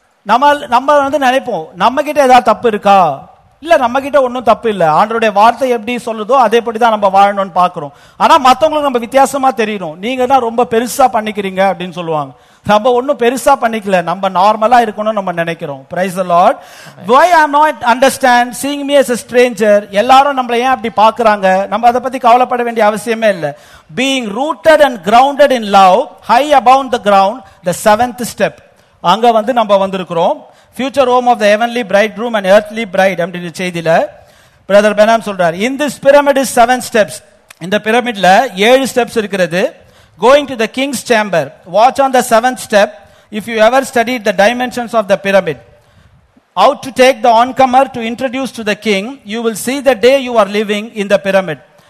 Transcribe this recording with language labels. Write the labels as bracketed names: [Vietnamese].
[Tamil] நம்ம வந்து நினைப்போம் நம்ம கிட்ட ஏதாவது தப்பு இருக்கா? இல்ல, நம்ம கிட்ட ஒன்றும் தப்பு இல்லை. ஆண்டவருடைய வார்த்தை எப்படி சொல்லுதோ அதே படிதான் நம்ம வாழணும்னு பாக்குறோம். ஆனா மத்தவங்களுக்கு நம்ம வித்தியாசமா தெரியணும், நீங்க தான் ரொம்ப பெருசா பண்ணிக்கிறீங்க அப்படின்னு சொல்லுவாங்க. நம்ம ஒன்னும் பெருசா பண்ணிக்கல, நம்ம நார்மலா இருக்கணும் நம்ம நினைக்கிறோம். [English] Praise the Lord. Why I am not understand seeing me as a stranger? [Tamil] எல்லாரும் நம்மள ஏன் அப்படி பாக்குறாங்க? நம்ம அதை பத்தி கவலைப்பட வேண்டிய அவசியமே இல்ல. [English] Being rooted and grounded in love, high above the ground, the seventh step. [Tamil] அங்க வந்து நம்ம வந்திருக்கிறோம். [English] Future home of the heavenly bridegroom and earthly bride. [Tamil] அப்படின்ற செய்தியில பிரதர் பெனாம் சொல்றாரு, [English] In this pyramid is seven steps. [Tamil] இந்த பிரமிட்ல ஏழு ஸ்டெப்ஸ் இருக்கிறது. [English] Going to the king's chamber, watch on the seventh step. If you ever studied the dimensions of the pyramid, how to take the oncomer to introduce to the king, you will see the day you are living in the pyramid.